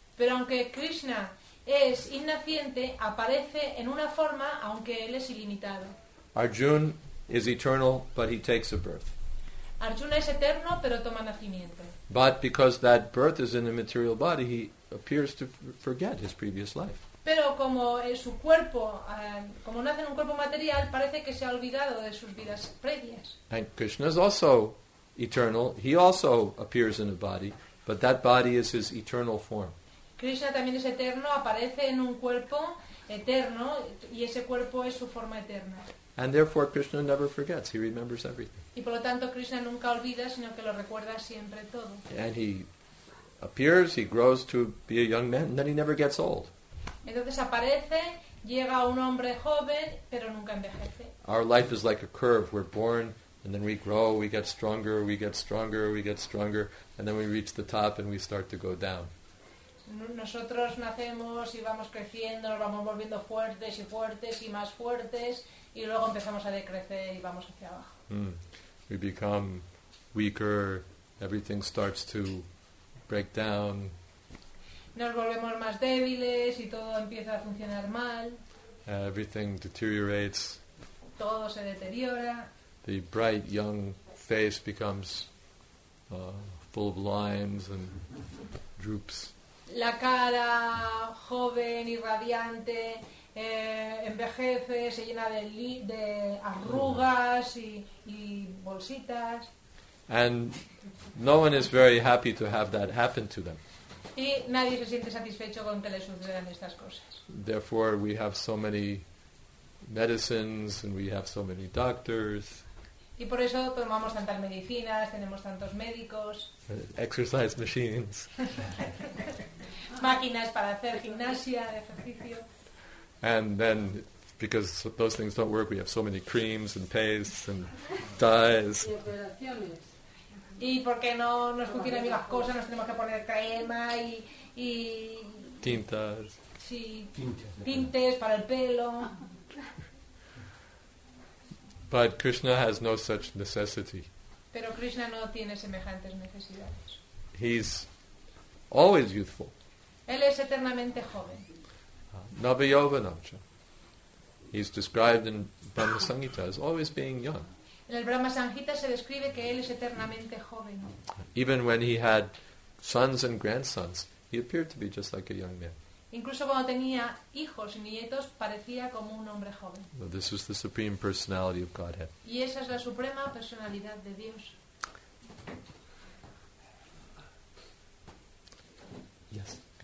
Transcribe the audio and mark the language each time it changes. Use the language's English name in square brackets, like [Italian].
[Spanish] Pero aunque Krishna es innaciente, aparece en una forma aunque él es ilimitado. [English] Arjuna is eternal, but he takes a birth. [Spanish] Arjuna es eterno, pero toma nacimiento. [English] But because that birth is in a material body, he appears to forget his previous life. [Spanish] Pero como su cuerpo, como nace en un cuerpo material, parece que se ha olvidado de sus vidas previas. [English] And Krishna is also eternal. He also appears in a body, but that body is his eternal form. [Spanish] Krishna también es eterno, aparece en un cuerpo eterno, y ese cuerpo es su forma eterna. [English] And therefore Krishna never forgets, he remembers everything. [Spanish] Y por lo tanto Krishna nunca olvida, sino que lo recuerda siempre todo. [English] And he appears, he grows to be a young man, and then he never gets old. [Spanish] Entonces aparece, llega un hombre joven, pero nunca envejece. [English] Our life is like a curve, we're born, and then we grow, we get stronger, we get stronger, we get stronger, and then we reach the top and we start to go down. [Spanish] Nosotros nacemos y vamos creciendo, nos vamos volviendo fuertes y fuertes y más fuertes, y luego empezamos a decrecer y vamos hacia abajo. [English] We become weaker, everything starts to break down. [Spanish] Nos volvemos más débiles y todo empieza a funcionar mal. [English] Everything deteriorates. [Spanish] Todo se deteriora. [English] The bright young face becomes full of lines and droops. [Spanish] La cara joven y radiante envejece, se llena de arrugas y bolsitas. [English] And no one is very happy to have that happen to them. [Spanish] Y nadie se siente satisfecho con que le sucedan estas cosas. [English] Therefore we have so many medicines and we have so many doctors. [Spanish] Y por eso tomamos tantas medicinas, tenemos tantos médicos. [English] Exercise machines. [Spanish] Máquinas para hacer gimnasia, de ejercicio. [English] And then, because those things don't work, we have so many creams and pastes and dyes. [Spanish] Y operaciones. Y porque no nos funcionan bien las cosas, nos tenemos que poner crema y tintas. Sí, tintes para el pelo. [English] But Krishna has no such necessity. [Spanish] Pero Krishna no tiene semejantes necesidades. [English] He's always youthful. [Spanish] Él es eternamente joven. [English] Navayovanamcha. He's described in Brahma Sangita as always being young. [Spanish] En el Brahma Sangita se describe que él es eternamente joven. [English] Even when he had sons and grandsons, he appeared to be just like a young man. [Spanish] Incluso cuando tenía hijos y nietos, parecía como un hombre joven. [English] This is the supreme personality of Godhead. [Spanish] Y esa es la suprema personalidad de Dios. [English] Yes.